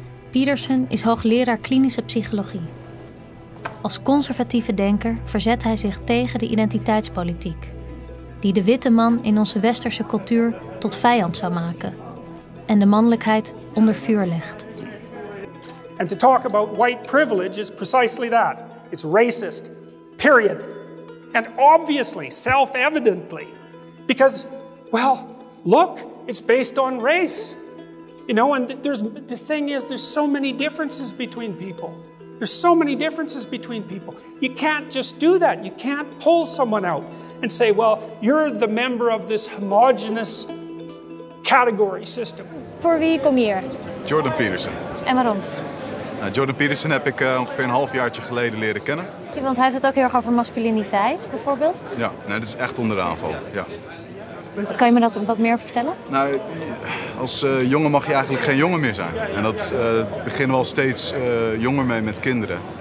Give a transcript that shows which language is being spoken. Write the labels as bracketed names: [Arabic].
[Dutch] Peterson is hoogleraar klinische psychologie. Als conservatieve denker verzet hij zich tegen de identiteitspolitiek, die de witte man in onze westerse cultuur tot vijand zou maken en de mannelijkheid onder vuur legt. [English] And to talk about white privilege is precisely that. It's racist. Period. And obviously, self-evidently. Because, well, look, it's based on race. You know, and there's so many differences between people. There's so many differences between people. You can't just do that. You can't pull someone out and say, well, you're the member of this homogenous category system. [Dutch] Voor wie kom hier? Jordan Peterson. En waarom? Nou, Jordan Peterson heb ik ongeveer een halfjaartje geleden leren kennen. Ja, want hij heeft het ook heel erg over masculiniteit, bijvoorbeeld. Ja, nee, dat is echt onder aanval. Ja. Kan je me dat wat meer vertellen? Nou, als jongen mag je eigenlijk geen jongen meer zijn. En dat beginnen we al steeds jonger mee met kinderen.